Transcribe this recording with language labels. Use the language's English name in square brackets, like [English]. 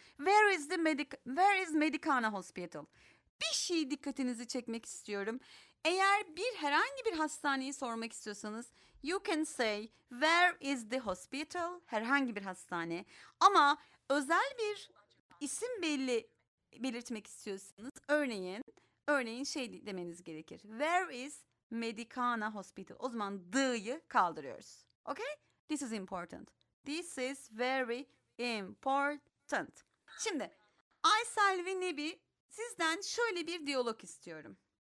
[English] Where is Medicana Hospital? [Turkish] Bir şey dikkatinizi çekmek istiyorum. Eğer bir herhangi bir hastaneyi sormak istiyorsanız, [English] you can say where is the hospital? [Turkish] Herhangi bir hastane. Ama özel bir isim belirtmek istiyorsanız, örneğin şey demeniz gerekir. [English] Where is Medicana Hospital? [Turkish] O zaman the'yı kaldırıyoruz. Okay? [English] This is important. This is very important. [Turkish] Şimdi, Aysel ve Nebi, sizden şöyle bir diyalog istiyorum.